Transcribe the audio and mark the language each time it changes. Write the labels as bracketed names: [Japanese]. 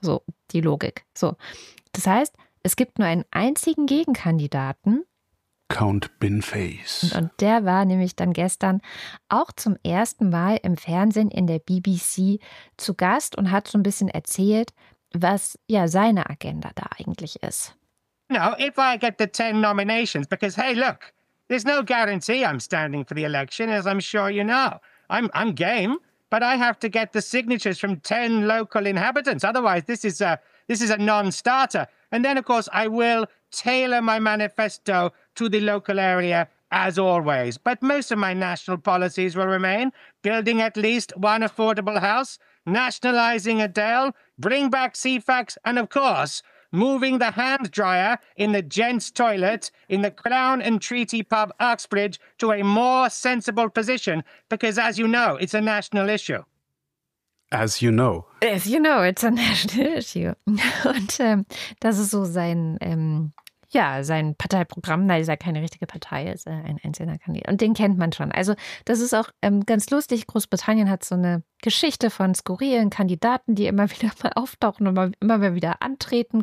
[German] So, die Logik. So, das heißt, es gibt nur einen einzigen Gegenkandidaten. Count Binface. Und der war nämlich dann gestern auch zum ersten Mal im Fernsehen in der BBC zu Gast und hat so ein bisschen erzählt, was ja seine Agenda da eigentlich ist. [English] No, if I get the 10 nominations, because hey, look, there's no guarantee I'm standing for the election, as I'm sure you know. I'm game. But I have to get the signatures from 10 local inhabitants. Otherwise, this is a non-starter. And then, of course, I will tailor my manifesto to the local area, as always. But most of my national policies will remain. Building at least one affordable house, nationalizing Adele, bring back CFAX, and of course, moving the hand dryer in the gents' toilet in the Crown and Treaty Pub, Uxbridge, to a more sensible position, because as you know, it's a national issue. As you know. As you know, it's a national issue. [German] Und das ist so sein, ja, sein Parteiprogramm. Nein, ist ja keine richtige Partei, ist ein einzelner Kandidat. Und den kennt man schon. Also das ist auch ganz lustig. Großbritannien hat so eine Geschichte von skurrilen Kandidaten, die immer wieder mal auftauchen und immer mal wieder antreten.